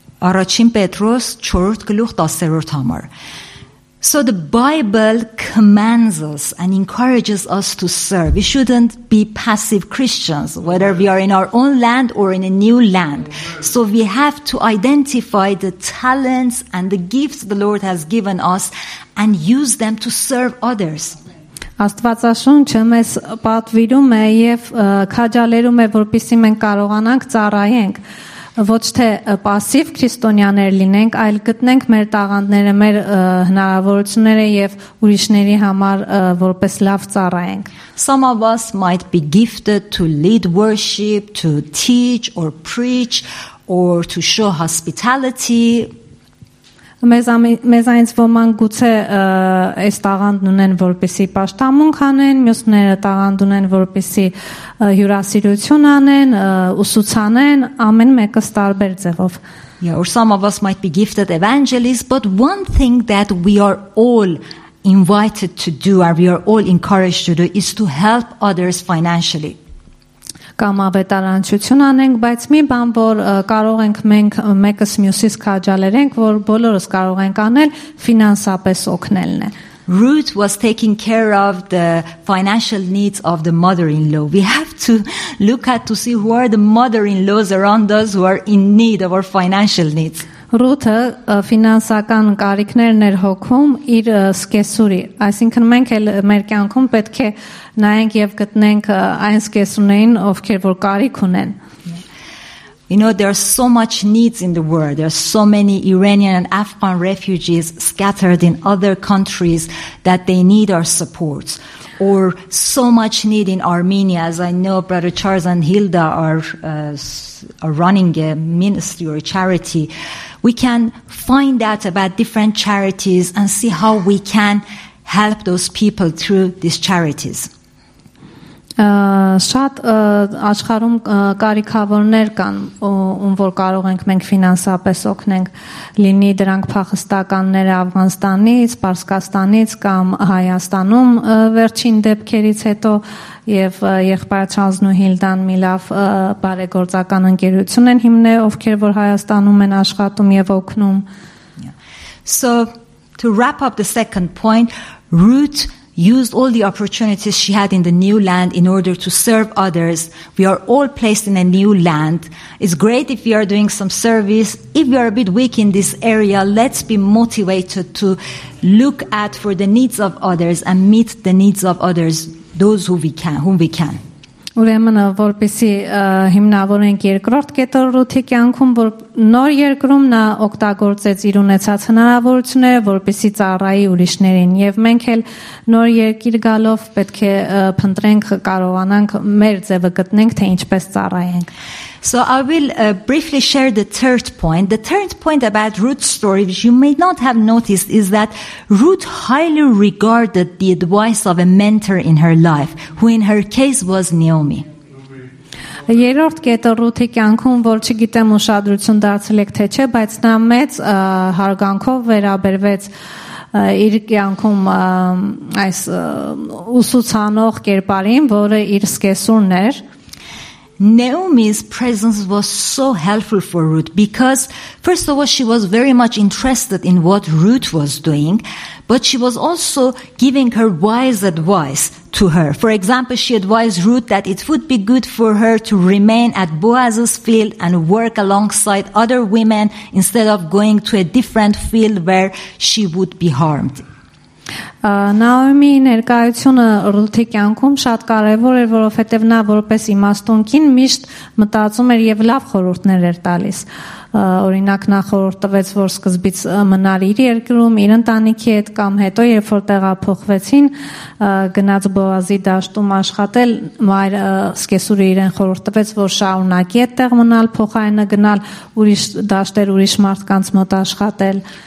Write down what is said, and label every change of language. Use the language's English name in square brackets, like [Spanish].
[Armenian] Առաջին Պետրոս 4-րդ գլուխ 10-րդ համար։ [English] So the Bible commands us and encourages us to serve. We shouldn't be passive Christians, whether we are in our own land or in a new land. So we have to identify the talents and the gifts the Lord has given us and use them to serve others. [Armenian] Աստվածաշունչը մեզ պատվիրում է եւ քաջալերում է, որպեսզի մենք կարողանանք ծառայենք. Ոչ թե պասիվ քրիստոնյաներ լինենք, այլ գտնենք մեր տաղանդները, մեր հնարավորությունները եւ ուրիշների համար որպես լավ ծառայենք։ [English] Some of us might be gifted to lead worship, to teach or preach or to show hospitality. [Armenian] Մեզ այնց ոմանք գուցե այս տաղանդն ունեն որպեսի պաշտամունք անեն, մյուսները տաղանդ ունեն որպեսի հյուրասիրություն անեն, ուսուցանեն, ամեն մեկը տարբեր ձևով։ [English] Yeah, or some of us might be gifted evangelists, but one thing that we are all invited to do or we are all encouraged to do is to help others financially. [Armenian] Կամ ավետարանչություն անենք, բայց մի բան, որ կարող ենք մենք մեկս մյուսից քաջալերենք, որ բոլորս կարող ենք անել, ֆինանսապես օգնելն է։ [English] Ruth was taking care of the financial needs of the mother-in-law. We have to look at to see who are the mother-in-laws around us who are in need of our financial needs. [Armenian] Ruth-ը ֆինանսական կարիքներն էր հոգում իր սկեսուրի, այսինքն մենք էլ մեր կյանքում պետք է նայենք եւ գտնենք այն սկեսուներին, ովքեր որ կարիք ունեն։ [English] You know, there are so much needs in the world. There are so many Iranian and Afghan refugees scattered in other countries that they need our support. Or so much need in Armenia, as I know Brother Charles and Hilda are running a ministry or a charity. We can find out about different charities and see how we can help those people through these charities. [Armenian] Շատ աշխարհում կարիքավորներ կան, ում որ կարող ենք մենք ֆինանսապես օգնենք, լինի դրանք փախստականները Աֆղանստանից, Պարսկաստանից կամ Հայաստանում վերջին դեպքերից հետո, եւ եղբայր Չանզն ու Հիլդան մի լավ բարեգործական ընկերություն են հիմնել, ովքեր որ Հայաստանում են աշխատում եւ օգնում։ [English] So to wrap up the second point, Ruth used all the opportunities she had in the new land in order to serve others. We are all placed in a new land. It's great if you are doing some service. If you are a bit weak in this area, let's be motivated to look out for the needs of others and meet the needs of others, those who we can, whom we can. [Armenian] Ուրեմն, որպեսի հիմնավորենք երկրորդ կետոր Ռութի կյանքում, որ նոր երկրում նա օգտագործեց իր ունեցած հնարավորությունները, որպեսի ծառայի ուրիշներին, եւ մենք էլ նոր երկիր գալով պետք է փնտրենք, կարողանանք մեր ձևը գտնենք, թե ինչպես ծառայենք. [English] So I will briefly share the third point. The third point about Ruth's story, which you may not have noticed, is that Ruth highly regarded the advice of a mentor in her life, who in her case was Naomi. [Armenian] Երրորդ կետը Ռութի կյանքում, որ չգիտեմ ուշադրություն դարձել եք թե չէ, բայց նա մեծ հարգանքով վերաբերվեց իր կյանքում այս ուսուցանող կերպարին, որը իր սկեսուրն էր. [English] Naomi's presence was so helpful for Ruth because, first of all, she was very much interested in what Ruth was doing, but she was also giving her wise advice to her. For example, she advised Ruth that it would be good for her to remain at Boaz's field and work alongside other women instead of going to a different field where she would be harmed. [Armenian] Նաոմի ներկայությունը Ռութի կյանքում շատ կարևոր էր, որովհետև նա որպես իմաստուն կին միշտ մտածում էր եւ լավ խորհուրդներ էր տալիս։ Օրինակ նա խորհուրդ տվեց, որ սկզբից մնար իր երկրում, իր ընտանիքի հետ, կամ հետո երբ որ տեղափոխվեցին, գնաց Բոազի դաշտում աշխատել, մայր սկեսուրը իրեն խորհուրդ տվեց, որ շարունակի այդտեղ մնալ, փոխարենը գնալ ուրիշ դաշտեր, ուրիշ մարդկանց մոտ աշխատել։